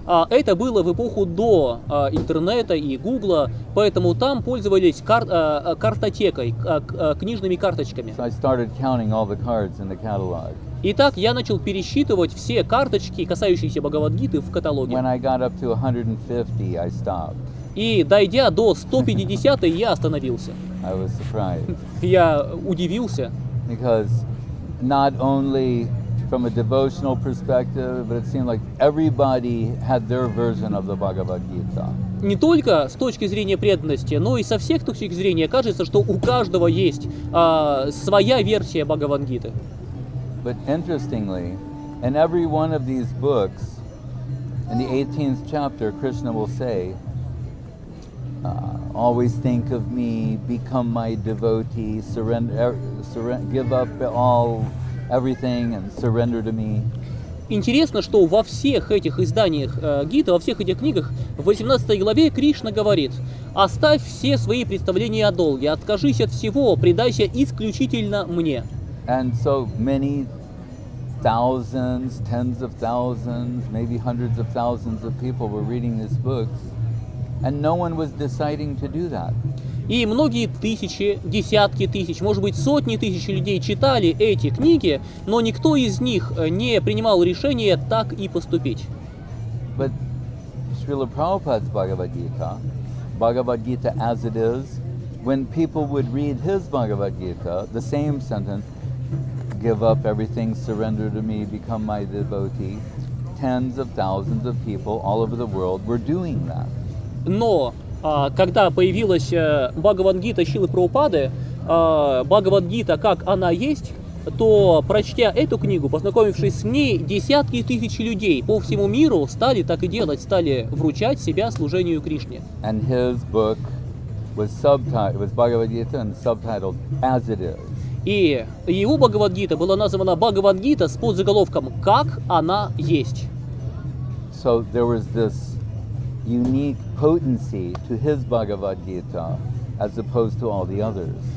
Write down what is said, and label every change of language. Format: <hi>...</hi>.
<ru>Это было в эпоху до интернета и Гугла, поэтому там пользовались картотекой, книжными карточками.</ru> <en>So I started counting all the cards in the catalog.</en> <ru>Итак, я начал пересчитывать все карточки, касающиеся Бхагавад-гиты, в каталоге.</ru> <en>When I got up to 150, I stopped.</en> <ru>И дойдя до 150, я остановился.</ru> <en>I was surprised.</en> <ru>Я удивился.</ru> <en>Because not only from a devotional perspective, but it seemed like everybody had their version of the Bhagavad Gita.</en> <ru>Не только с точки зрения преданности, но и со всех точек зрения кажется, что у каждого есть своя версия Бхагавад-гиты.</ru> <en>But interestingly, in every one of these books, in the 18th chapter, Krishna will say, always think of me, become my devotee, surrender, give up all everything and surrender to me.</en> <ru>Интересно, что во всех этих изданиях Гиты, во всех этих книгах, в 18 главе Кришна говорит: оставь все свои представления о долге, откажись от всего, предайся исключительно мне.</ru> <en>And so many thousands, tens of thousands, maybe hundreds of thousands of people were reading these books, and no one was deciding to do that.</en> <ru>И многие тысячи, десятки тысяч, может быть, сотни тысяч людей читали эти книги, но никто из них не принимал решение так и поступить.</ru> <en>But Srila Prabhupada's Bhagavad Gita as it is, when people would read his Bhagavad Gita, the same sentence, give up everything, surrender to me, become my devotee, tens of thousands of people all over the world were doing that.</en> <ru>Но когда появилась Бхагавад-гита Шрилы Прабхупады, Бхагавад-гита, как она есть, то, прочтя эту книгу, познакомившись с ней, десятки тысяч людей по всему миру стали так и делать, стали вручать себя служению Кришне.</ru> <en>And his book was subtitled, was Bhagavad-gita and subtitled as it is.</en> <ru>И его Бхагавад-гита была названа Бхагавад-гита с подзаголовком «Как она есть».</ru> <en>So there was this unique potency to his Bhagavad Gita as opposed to all the others.</en>